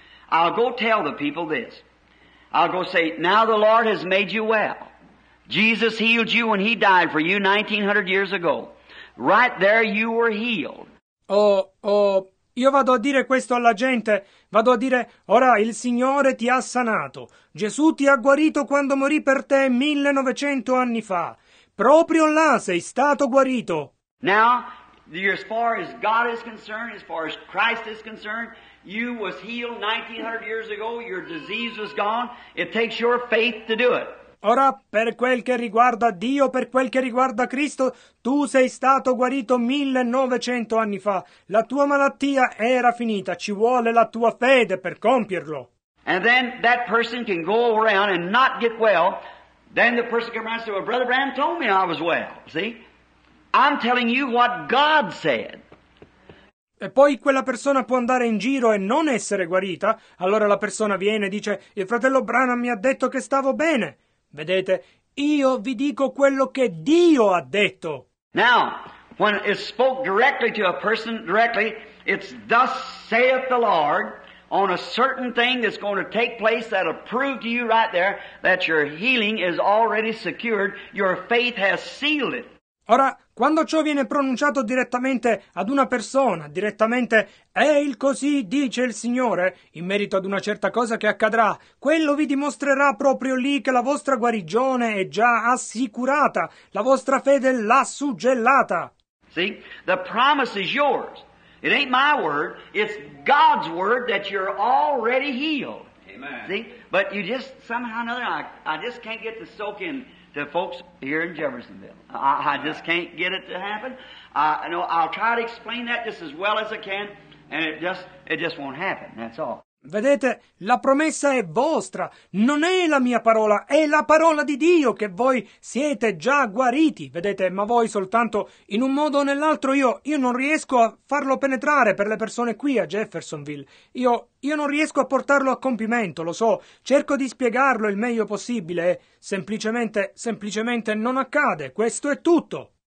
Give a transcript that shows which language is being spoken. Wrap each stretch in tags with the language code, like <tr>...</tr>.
<en>I'll go tell the people this. I'll go say, now the Lord has made you well. Jesus healed you when he died for you 1900 years ago. Right there you were healed.</en> <it>Io vado a dire questo alla gente, vado a dire, ora il Signore ti ha sanato, Gesù ti ha guarito quando morì per te 1900 anni fa, proprio là sei stato guarito.</it> <en>Now, as far as God is concerned, as far as Christ is concerned, you was healed 1900 years ago, your disease was gone, it takes your faith to do it.</en> <it>Ora, per quel che riguarda Dio, per quel che riguarda Cristo, tu sei stato guarito 1900 anni fa. La tua malattia era finita. Ci vuole la tua fede per compierlo.</it> <en>And then that person can go around and not get well. Then the person can come around and say, well, Brother Branham told me I was well. See? I'm telling you what God said.</en> <it>E poi quella persona può andare in giro e non essere guarita. Allora la persona viene e dice, il fratello Branham mi ha detto che stavo bene. Vedete, io vi dico quello che Dio ha detto.</it> <en>Now, when it spoke directly to a person directly, it's thus saith the Lord on a certain thing that's going to take place that'll prove to you right there that your healing is already secured, your faith has sealed it.</en> <it>Ora, quando ciò viene pronunciato direttamente ad una persona, direttamente, è il così dice il Signore, in merito ad una certa cosa che accadrà, quello vi dimostrerà proprio lì che la vostra guarigione è già assicurata, la vostra fede l'ha suggellata.</it> <en>See, the promise is yours. It ain't my word, it's God's word that you're already healed. Amen. See, but you just, somehow or another, I just can't get to soak in. The folks here in Jeffersonville. I just can't get it to happen. No, I'll try to explain that just as well as I can, and it just won't happen, that's all.</en> <it>Vedete, la promessa è vostra, non è la mia parola, è la parola di Dio che voi siete già guariti, vedete, ma voi soltanto in un modo o nell'altro io non riesco a farlo penetrare per le persone qui a Jeffersonville, io non riesco a portarlo a compimento, lo so, cerco di spiegarlo il meglio possibile, semplicemente non accade, questo è tutto.</it>